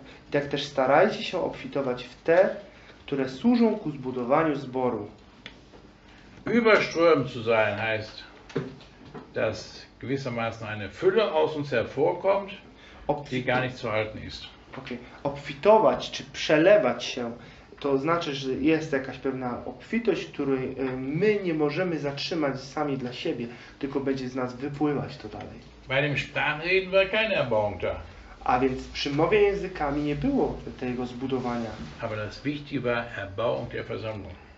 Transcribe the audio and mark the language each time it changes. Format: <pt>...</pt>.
<pl>Tak też starajcie się obfitować w te, które służą ku zbudowaniu zboru.</pl> <de>Überströmt zu sein heißt, dass gewissermaßen eine Fülle aus uns hervorkommt, die gar nicht zu halten ist. Okay.</de> <pl>Obfitować czy przelewać się, to znaczy, że jest jakaś pewna obfitość, której my nie możemy zatrzymać sami dla siebie, tylko będzie z nas wypływać to dalej.</pl> <de>Bei dem Sprachenreden war keine Erbauung da.</de> <pl>A więc przy mowie językami nie było tego zbudowania.</pl> <de>Aber das Wichtige war Erbauung der Versammlung.</de>